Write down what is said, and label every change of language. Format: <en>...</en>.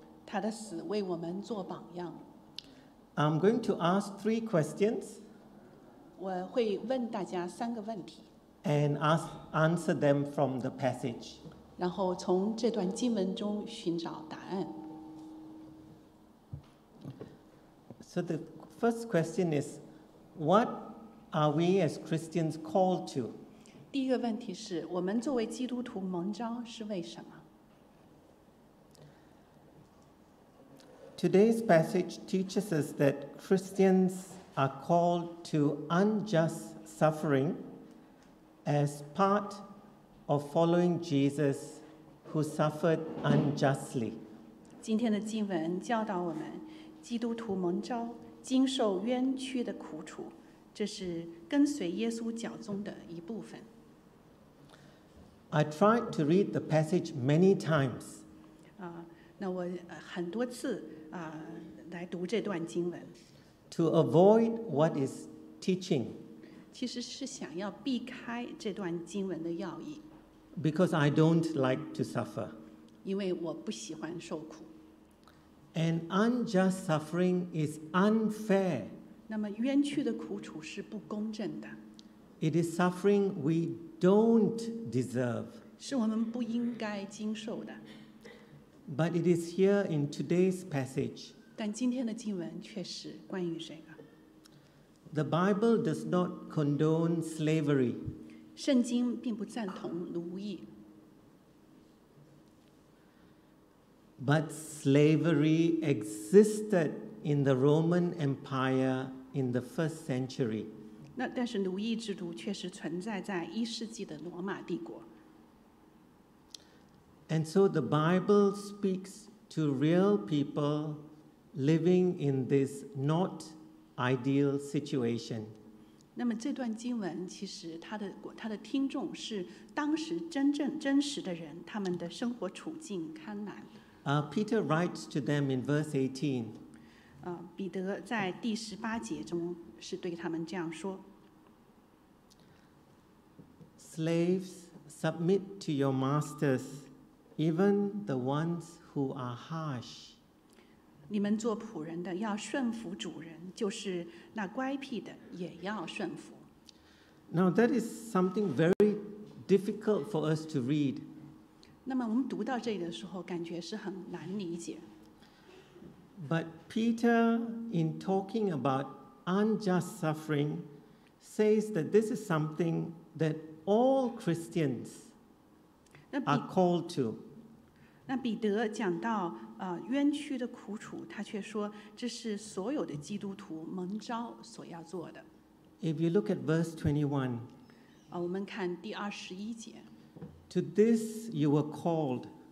<zh>他的死为我们做榜样。</zh> <en>I'm going to ask 3 questions.</en> <zh>我会问大家三个问题。</zh> <en>And answer them from the passage.</en> <zh>然后从这段经文中寻找答案。</zh> <en>So the first question is,What are we as Christians called to?</en> <zh>第一个问题是，我们作为基督徒蒙召是为什么？</zh> <en>Today's passage teaches us that Christians are called to unjust suffering as part of following Jesus who suffered unjustly.</en> <zh>今天的经文教导我们，基督徒蒙召经受冤屈的苦楚。这是跟随耶稣脚踪的一部分。</zh> <en>I tried to read the passage many times.</en> <zh>那我很多次来读这段经文。</zh> <en>To avoid what is teaching.</en> <zh>其实是想要避开这段经文的要义。</zh> <en>Because I don't like to suffer.</en> <zh>因为我不喜欢受苦。</zh> <en>And unjust suffering is unfair.</en> <zh>那么冤屈的苦楚是不公正的。</zh> <en>It is suffering we don't deserve.</en> <zh>是我们不应该经受的。</zh> <en>But it is here in today's passage.</en> <zh>但今天的经文却是关于这个。</zh> <en>The Bible does not condone slavery.</en> <zh>圣经并不赞同奴役。</zh> <en>But slavery existed in the Roman Empire in the first century.</en> <zh>那但是奴役制度确实存在在一世纪的罗马帝国。</zh> <en>And so the Bible speaks to real people living in this not ideal situation.</en> <zh>那么这段经文其实它的听众是当时真实的人，他们的生活处境艰难。</zh> <en>Peter writes to them in verse 18.</en> <zh>彼得在第十八节中是对他们这样说。</zh> <en>Slaves, submit to your masters, even the ones who are harsh.</en> <zh>你们做仆人的要顺服主人，就是那乖僻的也要顺服。</zh> <en>Now that is something very difficult for us to read.</en> <zh>那么我们读到这里的时候，感觉是很难理解。</zh> <en>But Peter, in talking about unjust suffering, says that this is something that all Christians are called to.</en> <zh>那彼得讲到冤屈的苦楚，他却说这是所有的基督徒蒙召所要做的。</zh> <en>If you look at verse 21,</en> <zh>我们看第二十一节。</zh> <en>To this you were called.</en>